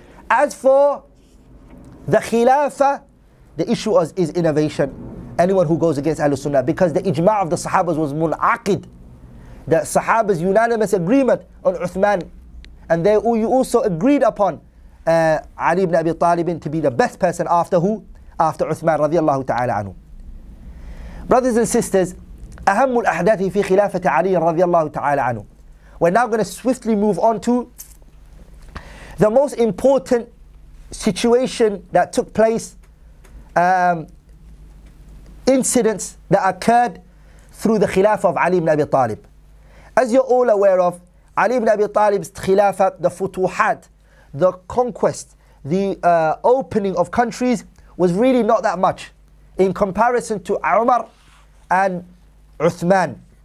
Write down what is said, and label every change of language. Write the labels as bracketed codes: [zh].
[en] As for the Khilafah, the issue is innovation. Anyone who goes against Ahlul Sunnah, because the ijma' of the Sahabas was mun'aqid. The Sahabas' unanimous agreement on Uthman, and they also agreed upon Ali ibn Abi Talib to be the best person after who? After Uthman radiallahu ta'ala anhu. Brothers and sisters, [ar] أهم الأحداث في خلافة علي رضي الله تعالى عنه. [en] We're now going to swiftly move on to the most important situation that took place, incidents that occurred through the Khilafah of Ali ibn Abi Talib. As you're all aware of, Ali ibn Abi Talib's Khilafah, the futuhat, the conquest, the opening of countries was really not that much in comparison to Umar and Uthman.